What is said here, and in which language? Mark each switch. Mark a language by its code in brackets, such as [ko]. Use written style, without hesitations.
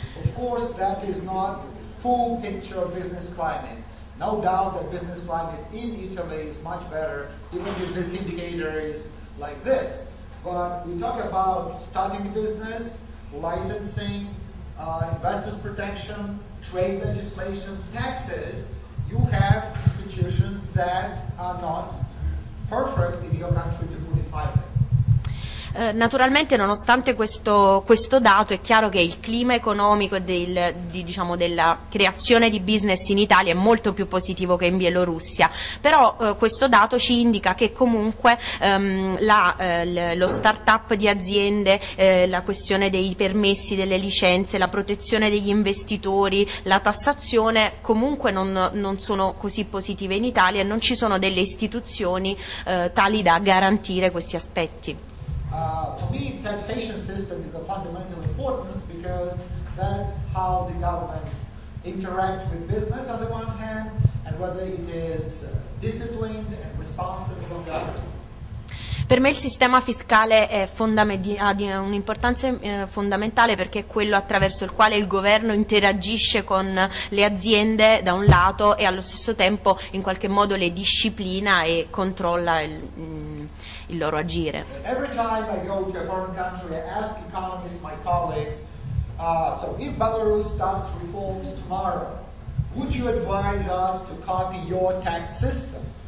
[en] Of course that is not full picture of business climate. No doubt that business climate in Italy is much better, even if this indicator is like this. But we talk about starting business, licensing, investors protection, trade legislation, taxes. You have institutions that are not perfect in your country to put it finally. [it] Naturalmente, nonostante questo dato, è chiaro che il clima economico e della creazione di business in Italia è molto più positivo che in Bielorussia, però questo dato ci indica che comunque lo start-up di aziende, la questione dei permessi, delle licenze, la protezione degli investitori, la tassazione comunque non sono così positive in Italia e non ci sono delle istituzioni tali da garantire questi aspetti. [en] For me, taxation system is of fundamental importance because that's how the government interacts with business on the one hand, and whether it is disciplined and responsible on the other. [it] Per me il sistema fiscale è di un'importanza fondamentale perché è quello attraverso il quale il governo interagisce con le aziende da un lato e allo stesso tempo in qualche modo le disciplina e controlla il loro agire. [en] Every time I go to a foreign country I ask economists, my colleagues, so if Belarus starts reforms tomorrow, would you advise us to copy your tax system?